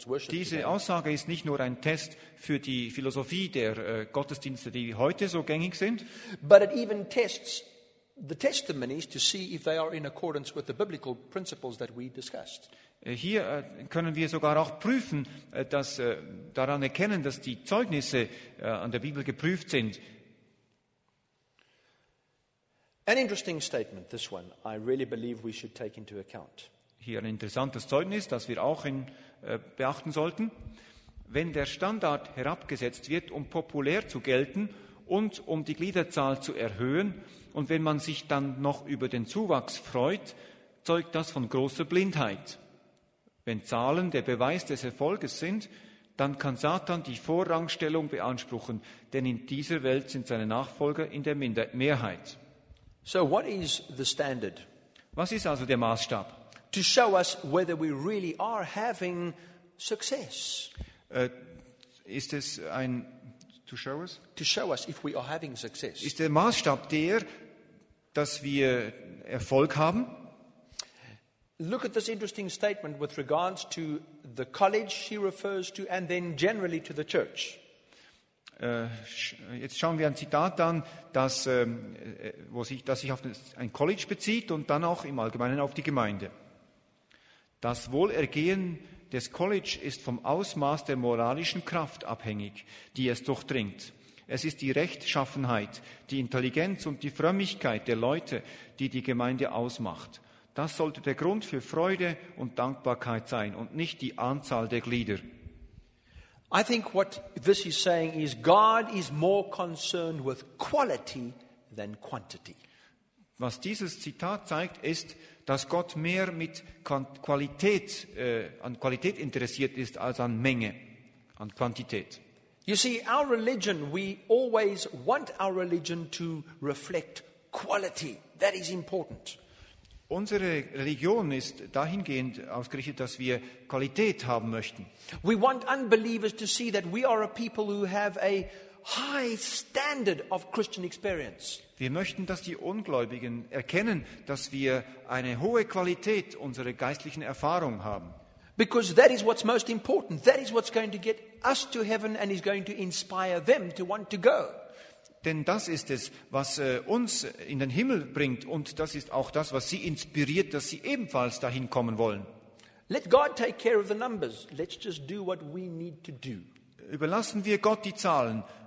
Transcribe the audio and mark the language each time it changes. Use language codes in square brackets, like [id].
[de] Diese Aussage ist nicht nur ein Test für die Philosophie der Gottesdienste, die heute so gängig sind, [en] but it even tests the testimonies to see if they are in accordance with the biblical principles that we discussed. [de] Hier können wir sogar auch prüfen, dass daran erkennen, dass die Zeugnisse an der Bibel geprüft sind. [en] An interesting statement, this one. I really believe we should take into account. [de] Hier ein interessantes Zeugnis, das wir auch beachten sollten. Wenn der Standard herabgesetzt wird, um populär zu gelten und um die Gliederzahl zu erhöhen, und wenn man sich dann noch über den Zuwachs freut, zeugt das von großer Blindheit. Wenn Zahlen der Beweis des Erfolges sind, dann kann Satan die Vorrangstellung beanspruchen, denn in dieser Welt sind seine Nachfolger in der Mehrheit. [en] So what is the standard? [de] Was ist also der Maßstab? [en] To show us whether we really are having success. [de] Ist es ein [en] to show us? To show us if we are having success. [de] Ist der Maßstab der, dass wir Erfolg haben? [en] Look at this interesting statement with regards to the college she refers to and then generally to the church. [de] Jetzt schauen wir ein Zitat an, das sich auf ein College bezieht und dann auch im Allgemeinen auf die Gemeinde. Das Wohlergehen des College ist vom Ausmaß der moralischen Kraft abhängig, die es durchdringt. Es ist die Rechtschaffenheit, die Intelligenz und die Frömmigkeit der Leute, die die Gemeinde ausmacht. Das sollte der Grund für Freude und Dankbarkeit sein und nicht die Anzahl der Glieder. [en] I think what this is saying is God is more concerned with quality than quantity. [de] Was dieses Zitat zeigt, ist, dass Gott mehr mit Qualität an Qualität interessiert ist als an Menge, an Quantität. [en] You see, our religion, we always want our religion to reflect quality. That is important. [de] Unsere Religion ist dahingehend ausgerichtet, dass wir Qualität haben möchten. [en] We want unbelievers to see that we are a people who have a high standard of Christian experience. [de] Wir möchten, dass die Ungläubigen erkennen, dass wir eine hohe Qualität unserer geistlichen Erfahrung haben. [en] Because that is what's most important. That is what's going to get us to heaven and is going to inspire them to want to go. [de] Denn das ist es, was uns in den Himmel bringt, und das ist auch das, was sie inspiriert, dass sie ebenfalls dahin kommen wollen. [en] Let God take care of the numbers. Let's just do what we need to do. [de] Überlassen wir Gott die Zahlen.